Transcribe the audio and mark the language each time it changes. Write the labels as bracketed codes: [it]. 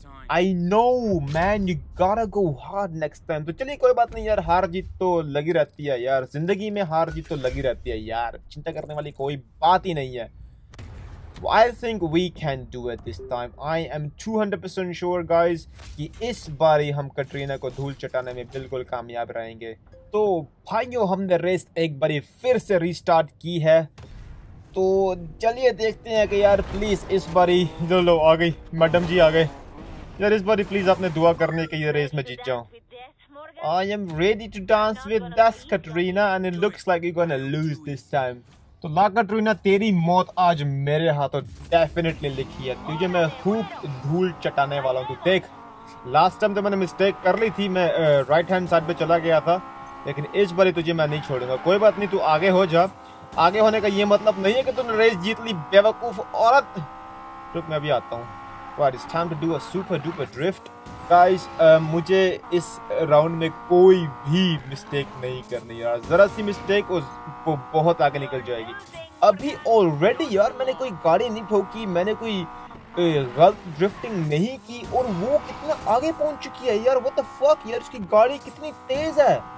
[en] I know, man, you gotta go hard next time. [hi] तो चलिए कोई बात नहीं यार, हार जीत तो लगी रहती है यार, जिंदगी में हार जीत तो लगी रहती है यार, चिंता करने वाली कोई बात ही नहीं है। [en] I think we can do it this time. I am 200% sure, guys, [hi] कि इस बारी हम कटरीना को धूल चटाने में बिल्कुल कामयाब रहेंगे। तो भाइयों हमने रेस एक बारी फिर से रिस्टार्ट की है, तो चलिए देखते हैं कि यार प्लीज इस बारी जो लो आ गई मैडम जी आ गए यार, इस बारी प्लीज आपने दुआ करने की ये रेस में जीत जाऊं। [en] I am ready to dance with this Katrina and it looks like you gonna lose this time. [hi] तो ला कटरीना तेरी मौत आज मेरे हाथों डेफिनेटली लिखी है, तुझे मैं खूब धूल चटाने वाला हूँ। तो देख लास्ट टाइम तो मैंने मिस्टेक कर ली थी, मैं राइट हैंड साइड पे चला गया था, लेकिन इस बारी तुझे मैं नहीं छोड़ूंगा। कोई बात नहीं, तू आगे हो जा, आगे होने का ये मतलब नहीं है कि तूने रेस जीत ली बेवकूफ औरत। रुक मैं अभी आता हूँ। [en] Well, it's time to do a super duper drift. [hi] Guys, मुझे इस राउंड में कोई भी मिस्टेक नहीं करनी यार, जरा सी मिस्टेक वो बहुत आगे निकल जाएगी। अभी ऑलरेडी यार मैंने कोई गाड़ी नहीं ठोकी, मैंने कोई गलत ड्रिफ्टिंग नहीं की और वो कितना आगे पहुंच चुकी है यार, [en] what the fuck [hi] यार, उसकी गाड़ी कितनी तेज है।